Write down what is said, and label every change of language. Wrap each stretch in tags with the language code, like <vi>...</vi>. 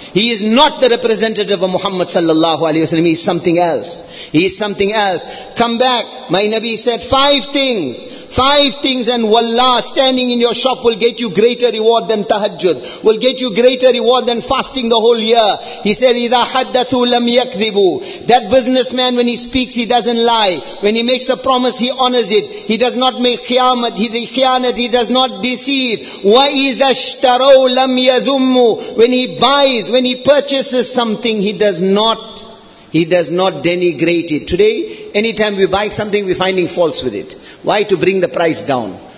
<en>He is not the representative of Muhammad sallallahu alaihi wasallam. He is something else. Come back. My Nabi said five things, and wallah, standing in your shop will get you greater reward than tahajjud, will get you greater reward than fasting the whole year. He said,</en> <ar>إِذَا حَدَّثُوا لَمْ يَكْذِبُوا.</ar> <en>That businessman, when he speaks, he doesn't lie. When he makes a promise, he honors it. He does not make khianat, he does not deceive.</en> <ar>وَإِذَا اشْتَرَوْا لَمْ يَذُمُّوا.</ar> <en>When he buys, when he purchases something, he does not denigrate it. Today, anytime we buy something, we're finding faults with it. Why? To bring the price down.</en>